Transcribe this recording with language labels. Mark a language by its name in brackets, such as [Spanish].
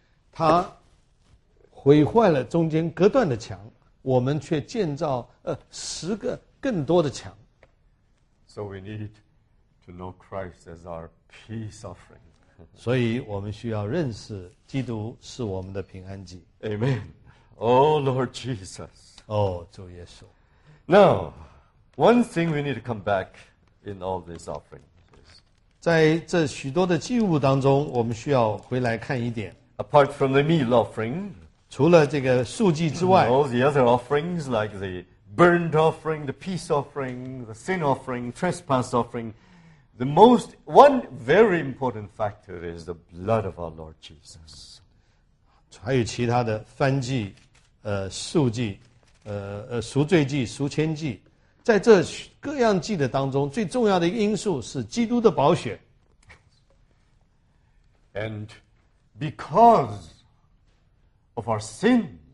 [Chinese] 他毁坏了中间隔断的墙，我们却建造十个更多的墙。 [English] So we need to know Christ as our peace offering. [Chinese] 所以我们需要认识基督是我们的平安祭。 [English] Amen. Oh Lord Jesus. [Chinese] Oh, 主耶稣。 [English] Now, one thing we need to come back in all these offerings. [Chinese] 在这许多的祭物当中，我们需要回来看一点。 [English] Apart from the meal offering, [Chinese] 除了这个素祭之外 [English] all the other offerings like the burnt offering, the peace offering, the sin offering, trespass offering, the most one very important factor is the blood of our Lord Jesus. [Chinese] 还有其他的燔祭、素祭。赎罪祭、赎愆祭，在这各样祭的当中，最重要的一个因素是基督的宝血。 [English] And because of our sins,